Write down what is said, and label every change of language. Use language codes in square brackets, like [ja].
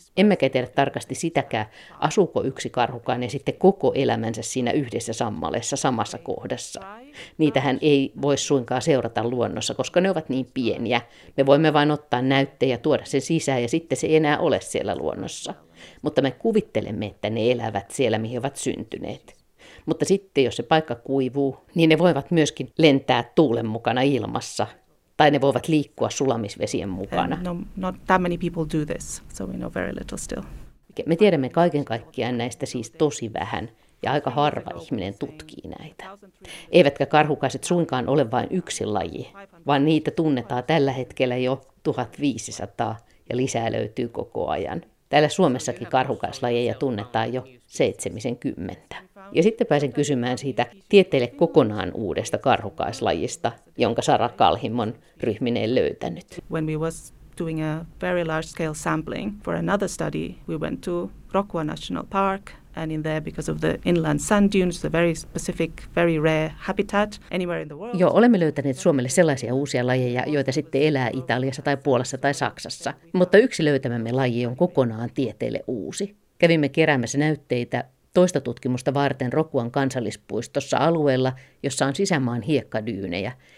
[fi] Emmekä tiedä tarkasti sitäkään, asuuko yksi karhukainen sitten koko elämänsä siinä yhdessä sammalessa samassa kohdassa. Niitähän ei voi suinkaan seurata luonnossa, koska ne ovat niin pieniä. Me voimme vain ottaa näytteen ja tuoda sen sisään ja sitten se ei enää ole siellä luonnossa. Mutta me kuvittelemme, että ne elävät siellä, mihin ovat syntyneet. Mutta sitten, jos se paikka kuivuu, niin ne voivat myöskin lentää tuulen mukana ilmassa. Tai ne voivat liikkua sulamisvesien mukana. [en] No, not that many people do this, so we know very little still. [fi] Me tiedämme kaiken kaikkiaan näistä siis tosi vähän. Ja aika harva ihminen tutkii näitä. Eivätkä karhukaiset suinkaan ole vain yksi laji, vaan niitä tunnetaan tällä hetkellä jo 1500 ja lisää löytyy koko ajan. Täällä Suomessakin karhukaislajeja tunnetaan jo 70. Ja sitten pääsen kysymään siitä tieteelle kokonaan uudesta karhukaislajista, jonka Sara Kalhimon ryhmineen löytänyt. [en] When we was doing a very large scale sampling for another study, we went to Rockwa National Park. And in there, because of the inland sand dunes, the very specific, very rare habitat anywhere in the world. [fi] Joo, olemme löytäneet Suomelle sellaisia uusia lajeja, joita sitten elää Italiassa tai Puolassa tai Saksassa. Mutta yksi löytämämme laji on kokonaan tieteelle uusi. Kävimme keräämässä näytteitä toista tutkimusta varten Rokuan kansallispuistossa alueella, jossa on sisämaan hiekkadyynejä.